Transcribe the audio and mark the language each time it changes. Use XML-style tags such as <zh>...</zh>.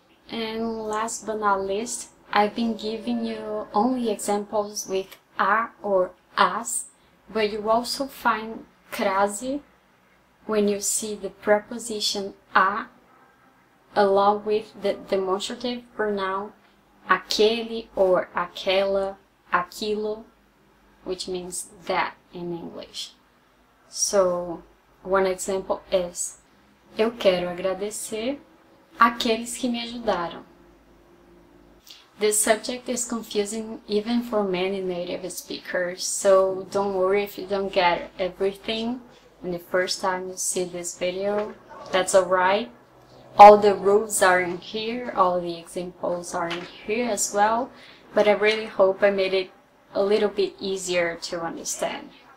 <en>And last but not least, I've been giving you only examples with a or as, but you also find crase when you see the preposition a along with the demonstrative pronoun aquele or aquela, aquilo, which means that in English. So, one example is,</en> <pt>eu quero agradecer aqueles que me ajudaram.</pt> <en>The subject is confusing even for many native speakers, so don't worry if you don't get everything and the first time you see this video, that's alright. All the rules are in here, all the examples are in here as well, but I really hope I made it a little bit easier to understand.</en>